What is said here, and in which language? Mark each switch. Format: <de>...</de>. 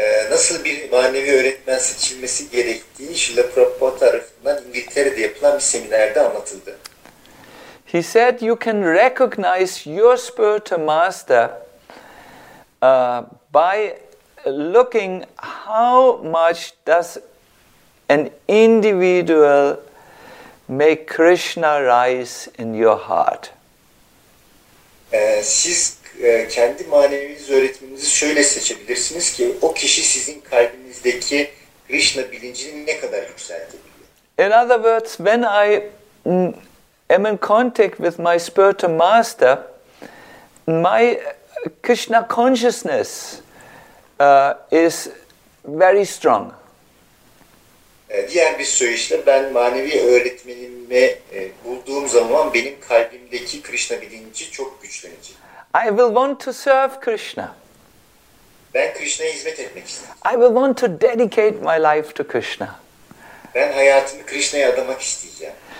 <tr>Nasıl bir manevi öğretmen seçilmesi gerektiği Srila Prabhupada tarafından İngiltere'de yapılan bir seminerde anlatıldı.</tr> <en>He said you can recognize your spiritual master by looking how much does an individual make Krishna rise in your heart.</en> <tr>Siz kendi maneviniz öğretmeninizi şöyle seçebilirsiniz ki o kişi sizin kalbinizdeki Krishna bilincini ne kadar yükseltebiliyor.</tr> <en>In other words, when I am in contact with my spiritual master, my Krishna consciousness is very strong.</en> <tr>Diğer bir söyleşle ben manevi öğretmenimi bulduğum zaman benim kalbimdeki Krishna bilinci çok güçlenecek.</tr> <en>I will want to serve Krishna.</en> <tr>Ben Krishna'ya hizmet etmek istiyorum.</tr> <en>I will want to dedicate my life to Krishna.</en> <tr>Ben hayatımı Krishna'ya adamak isteyeceğim.</tr>